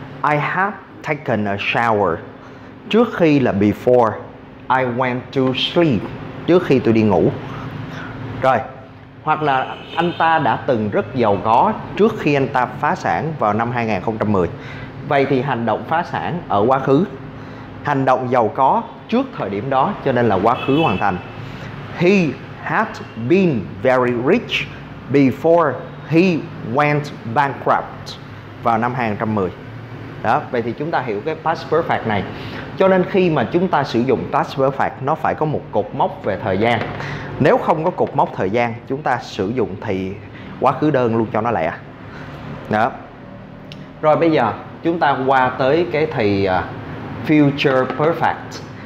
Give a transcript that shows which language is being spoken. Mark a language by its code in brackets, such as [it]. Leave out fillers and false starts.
[en] I have taken a shower. [vi] Trước khi là [en] before, I went to sleep, [vi] trước khi tôi đi ngủ. Rồi, hoặc là anh ta đã từng rất giàu có trước khi anh ta phá sản vào năm 2010. Vậy thì hành động phá sản ở quá khứ, hành động giàu có trước thời điểm đó, cho nên là quá khứ hoàn thành. [en] He had been very rich before he went bankrupt [vi] vào năm 2010. Đó, vậy thì chúng ta hiểu cái past perfect này. Cho nên khi mà chúng ta sử dụng past perfect, nó phải có một cột mốc về thời gian. Nếu không có cột mốc thời gian, chúng ta sử dụng thì quá khứ đơn luôn cho nó lẹ. Đó. Rồi bây giờ chúng ta qua tới cái thì future perfect.